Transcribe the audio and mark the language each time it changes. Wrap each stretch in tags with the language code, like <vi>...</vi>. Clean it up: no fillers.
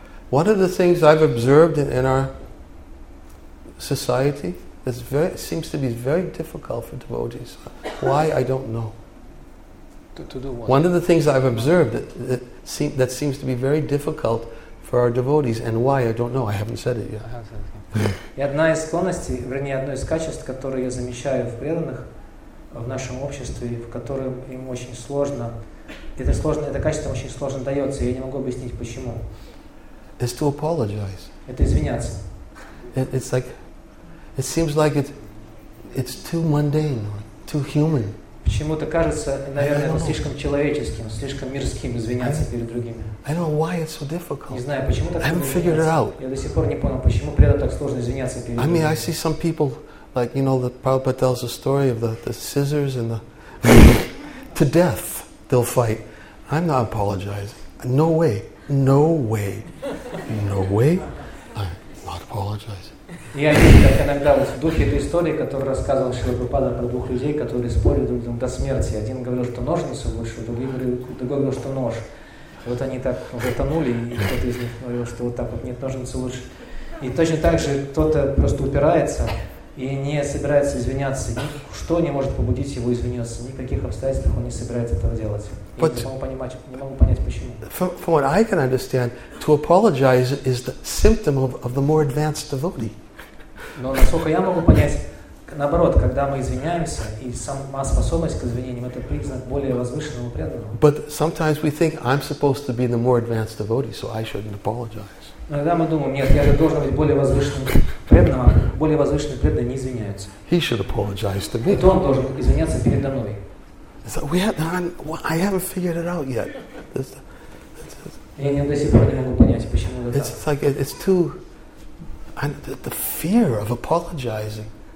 <en>One of the things I've observed in our society that seems to be very difficult for devotees. Why, I don't know. To do what? One of the things I've observed that seems to be very difficult for our devotees, and why, I don't know. I haven't said it yet.</en> <ru>И одна из склонностей, вернее, одно из качеств, которые я замечаю в преданных в нашем обществе, в котором им очень сложно, это качество очень сложно дается, я не могу объяснить почему.</ru> <en>Is to apologize.</en> <ru>Это извиняться.</ru> <en>It's like, it seems like it's too mundane, too human.</en> <ru>Почему-то кажется, наверное, это слишком человеческим, слишком мирским извиняться перед другими.</ru> <en>I don't know why it's so difficult.</en> <ru>Не знаю, почему так.</ru> <en>I haven't figured it out.</en> <ru>Я до сих пор не понял, почему преданным так сложно извиняться перед другими.</ru> <en>I mean, I see some people, like, you know, the Prabhupada tells the story of the scissors and the to death they'll fight. I'm not apologizing. No way. No way. No way. I'm not apologizing.</en> <ru>Я вижу, как иногда в духе этой истории, которую рассказывал Шрила Прабхупада про двух людей, которые спорили друг с другом до смерти. Один говорил, что ножницу лучше, другой говорил, что нож. И вот они так затонули, и кто-то из них говорил, что вот так вот нет, ножницы лучше. И точно так же кто-то просто упирается и не собирается извиняться. Ничто не может побудить его извиняться. Никаких обстоятельств он не собирается этого делать. Я не могу понять, почему.</ru> <en>From what I can understand, to apologize is the symptom of the more advanced devotee.</en> <ru>Но насколько я могу понять, наоборот, когда мы извиняемся, и сама способность к извинениям – это признак более возвышенного преданного.</ru> <en>But sometimes we think, I'm supposed to be the more advanced devotee, so I shouldn't apologize.</en> <ru>Иногда мы думаем, нет, я же должен быть более возвышенным преданным, а более возвышенные преданные не извиняются.</ru> <en>He should apologize to me.</en> <ru>Это он должен извиняться передо мной.</ru> <en>So I haven't figured it out yet.</en> <ru>Я до сих пор не могу понять, почему это так.</ru> <en>It's like, it's too... And the fear of apologizing.</en>